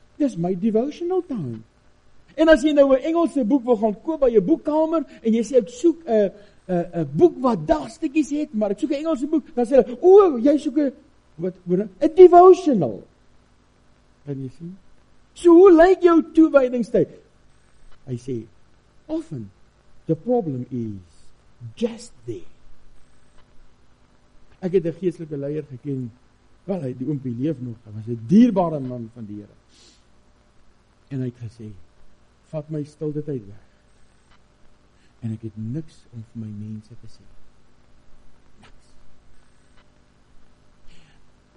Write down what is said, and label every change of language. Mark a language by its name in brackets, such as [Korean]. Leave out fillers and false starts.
[Afrikaans] Dis my devotional time. En as jy nou 'n Engelse boek wil gaan koop by jou boekkamer, en jy sê, ek soek 'n boek wat dagstukkies het, maar ek soek 'n Engelse boek, dan sê hulle, jy soek 'n devotional. Kan jy sien? So hoe lyk jou toewydingstyd? Hy sê, [English] often, the problem is just there. [Afrikaans] Ek het 'n geestelike leier geken, wel, hy die oompie leef nog, hy was 'n dierbare man van die Here. En hy het gesê, vat my stilte tyd weg. En ek het niks om vir my mense te sê. Niks.